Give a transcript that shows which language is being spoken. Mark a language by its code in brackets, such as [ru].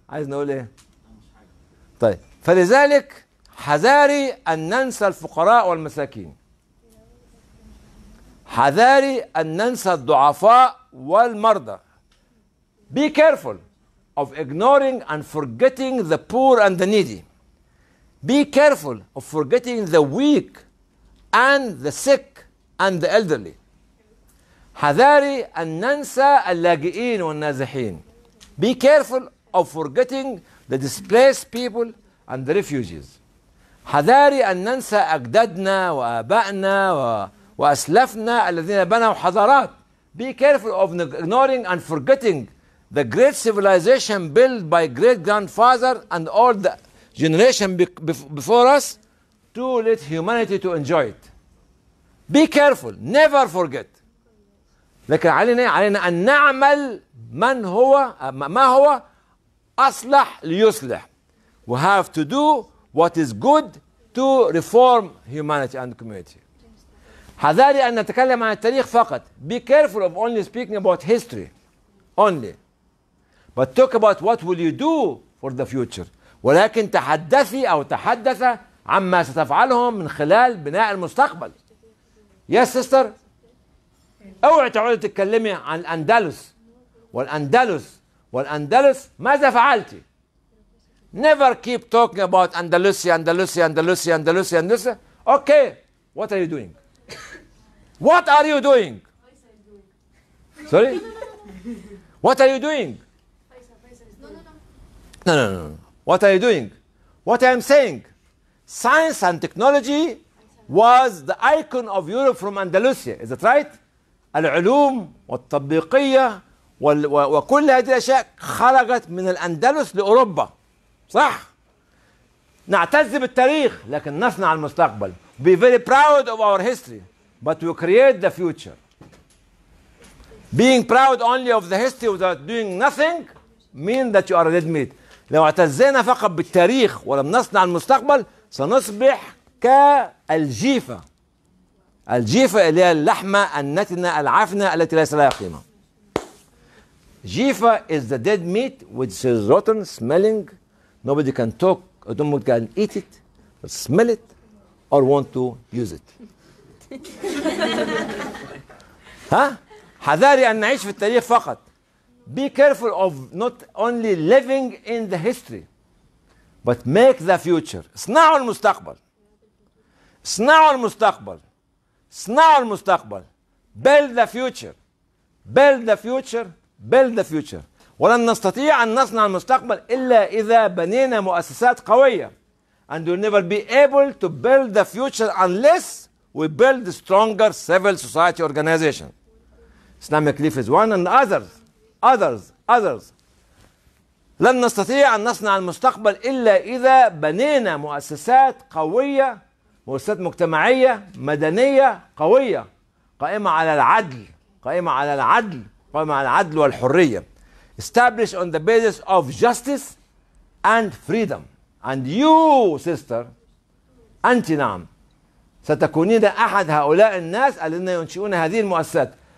[ar] عايز نقول ايه؟ طيب، فلذلك حذاري ان ننسى الفقراء والمساكين، حذاري ان ننسى الضعفاء والمرضى. [en] Be careful of ignoring and forgetting the poor and the needy. Be careful of forgetting the weak and the sick and the elderly. [ar] حذاري أن ننسى اللاجئين والنازحين. [en] Be careful of forgetting the displaced people and the refugees. [ar] حذاري أن ننسى أجدادنا وآبائنا وأسلافنا الذين بنوا حضارات. [en] Be careful of ignoring and forgetting the great civilization built by great grandfather and all the generation before us to let humanity to enjoy it. Be careful. Never forget. [ar] لكن علينا أن نعمل من هو ما هو أصلح ليصلح. [en] We have to do what is good to reform humanity and community. [ar] حذاري أن نتكلم عن التاريخ فقط. [en] Be careful of only speaking about history only. But talk about what will you do for the future. [ar] ولكن تحدثي أو تحدث عما ستفعلهم من خلال بناء المستقبل. [en] Yes, sister. [ar] أوعى تعود تتكلمي عن الأندلس والأندلس والأندلس. ماذا فعلتي؟ [en] Never keep talking about Andalusia, Andalusia, Andalusia, Andalusia, Andalusia. Okay, what are you doing? What are you doing? Sorry? What are you doing? No. What are you doing? What I am saying, science and technology was the icon of Europe from Andalusia. Is that right? [ar] العلوم والتطبيقية وكل هذه الأشياء خرجت من الأندلس لأوروبا. صح؟ نعتز بالتاريخ لكن نصنع المستقبل. [en] Be very proud of our history, but we create the future. Being proud only of the history without doing nothing means that you are a dead meat. [ar] لو اعتزينا فقط بالتاريخ ولم نصنع المستقبل سنصبح كالجيفة. الجيفة اللي هي اللحمة النتنة العفنة التي ليس لها قيمة. [en] جيفة is the dead meat which is rotten, smelling. Nobody can talk, nobody can eat it, or smell it, or want to use it. [ar] ها؟ حذاري أن نعيش في التاريخ فقط. [en] Be careful of not only living in the history, but make the future. [ar] صنعوا المستقبل. صنعوا المستقبل. صنعوا المستقبل. [en] Build the future. Build the future. Build the future. [ar] ولن نستطيع أن نصنع المستقبل إلا إذا بنينا مؤسسات قوية. [en] And we'll never be able to build the future unless we build stronger civil society organization. Islamic Leaf is one and others. Others. [ar] لن نستطيع أن نصنع المستقبل إلا إذا بنينا مؤسسات قوية, مؤسسات مجتمعية مدنية قوية, قائمة على العدل, قائمة على العدل, قائمة على العدل والحرية. [en] Established on the basis of justice and freedom. And you, sister, [ar] أنتِ نعم, ستكونين أحد هؤلاء الناس الذين ينشئون هذه المؤسسات.